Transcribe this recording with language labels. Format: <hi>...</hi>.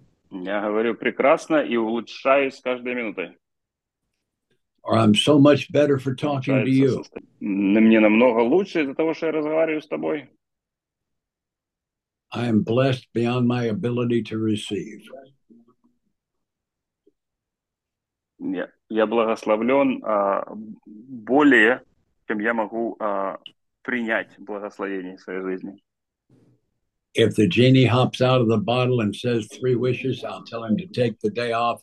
<ru>Я говорю прекрасно и улучшаюсь с каждой минутой.</ru> <en>Or I'm so much better for talking to you.</en> <ru>Мне намного лучше из-за того, что я разговариваю с тобой.</ru> <en>I am blessed beyond my ability to receive.</en> <ru>Я благословлен более, чем я могу принять благословение в своей жизни.</ru> <en>If the genie hops out of the bottle and says three wishes, I'll tell him to take the day off.</en>